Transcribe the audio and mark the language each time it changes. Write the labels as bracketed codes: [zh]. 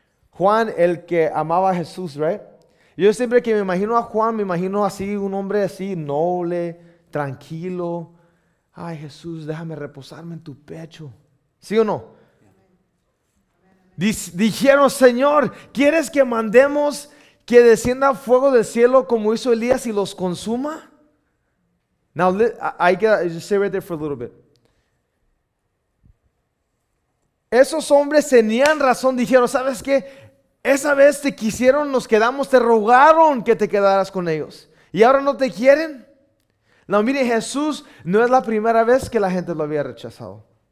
[es] Juan, el que amaba a Jesús, right? Yo siempre que me imagino a Juan, me imagino así, un hombre así, noble, tranquilo. Ay, Jesús, déjame reposarme en tu pecho. ¿Sí o no? Dijeron, Señor, ¿quieres que mandemos que descienda fuego del cielo como hizo Elías y los consuma? [en] Now, I gotta just stay right there for a little bit. [es] Esos hombres tenían razón, dijeron, ¿sabes qué? Esa vez te quisieron, nos quedamos, te rogaron que te quedaras con ellos. ¿Y ahora no te quieren? No, miren, Jesús no es la primera vez que la gente lo había rechazado.